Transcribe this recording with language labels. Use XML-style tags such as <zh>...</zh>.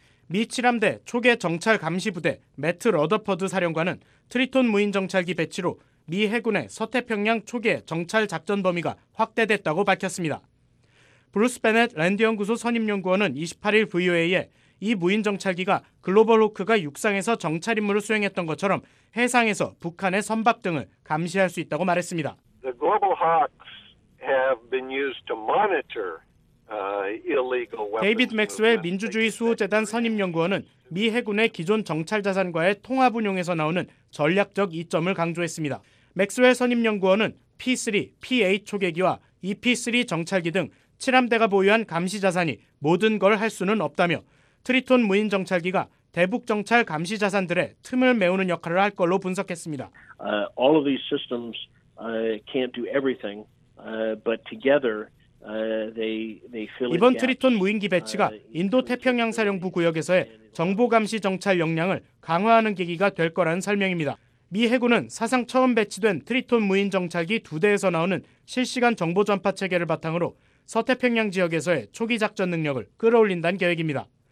<ko>미 7함대 초계 정찰 감시 부대 매트 러더퍼드 사령관은 트리톤 무인 정찰기 배치로 미 해군의 서태평양 초계 정찰 작전 범위가 확대됐다고 밝혔습니다. 브루스 베넷 랜드연구소 선임연구원은 28일 VOA에 이 무인 정찰기가 글로벌 호크가 육상에서 정찰 임무를 수행했던 것처럼 해상에서 북한의 선박 등을 감시할 수 있다고 말했습니다.</ko> <en>The Global Hawks have been used to monitor illegal weapons.</en> <ko>데이빗 맥스웰 민주주의 수호재단 선임연구원은 미 해군의 기존 정찰 자산과의 통합 운용에서 나오는 전략적 이점을 강조했습니다. 맥스웰 선임연구원은 P3, P8 초계기와 EP3 정찰기 등 7함대가 보유한 감시 자산이 모든 걸 할 수는 없다며 트리톤 무인 정찰기가 대북 정찰 감시 자산들의 틈을 메우는 역할을 할 걸로 분석했습니다.</ko> <en>All of these systems can't do everything, but together they fill.</en> <ko>이번 트리톤 무인기 배치가 인도 태평양 사령부 구역에서의 정보 감시 정찰 역량을 강화하는 계기가 될 거라는 설명입니다. 미 해군은 사상 처음 배치된 트리톤 무인 정찰기 두 대에서 나오는 실시간 정보 전파 체계를 바탕으로 서태평양 지역에서의 초기 작전 능력을 끌어올린다는 계획입니다.</ko>